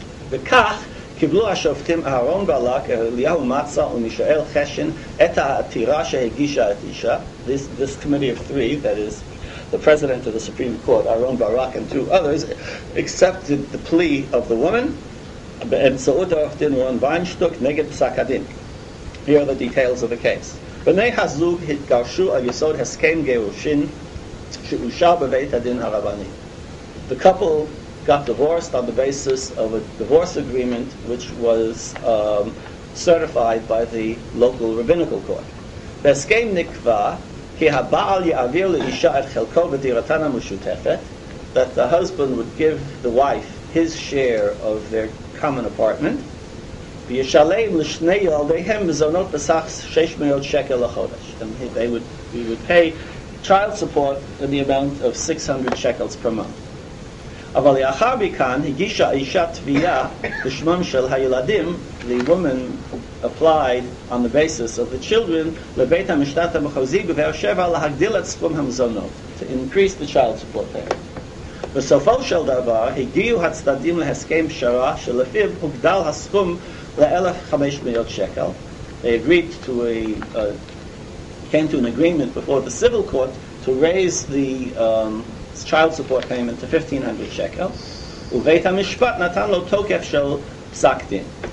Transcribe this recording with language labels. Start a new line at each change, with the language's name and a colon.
Hebrew: V'kach קיבלו השופטים אהרון בלק, אליהו מצא ומישאל חשן את העתירה שהגישה את אישה.
English: This committee of three, that is the president of the Supreme Court, Aaron Barak and two others, accepted the plea of the woman,
Hebrew: באמצעות עורך דין רון ויינשטוק נגד פסק הדין.
English: Here are the details of the case.
Hebrew: בני הזוג התגרשו על יסוד הסכם גירושין שאושר בבית הדין הרבני.
English: The couple got divorced on the basis of a divorce agreement which was certified by the local rabbinical court.
Hebrew: בהסכם נקבע כי הבעל יעביר לאישה את חלקו בדירתן המשותפת,
English: that the husband would give the wife his share of their common apartment,
Hebrew: וישלם לשני ילדיהם מזונות בסך 600 שקל לחודש.
English: We would pay child support in the amount of 600 shekels per month.
Hebrew: אבל לאחר מכאן הגישה אישה תביעה בשמם של הילדים,
English: the woman applied on the basis of the children
Hebrew: לבית המשפט המחוזי בבאר שבע להגדיל את סכום המזונות,
English: to increase the child support there.
Hebrew: בסופו של דבר הגיעו הצדדים להסכם פשרה שלפיו הוגדל הסכום ל-1,500 שקל.
English: They agreed to came to an agreement before the civil court to raise the child support payment to 1,500 shekel.
Hebrew: ובית המשפט נתן לו תוקף של פסק דין.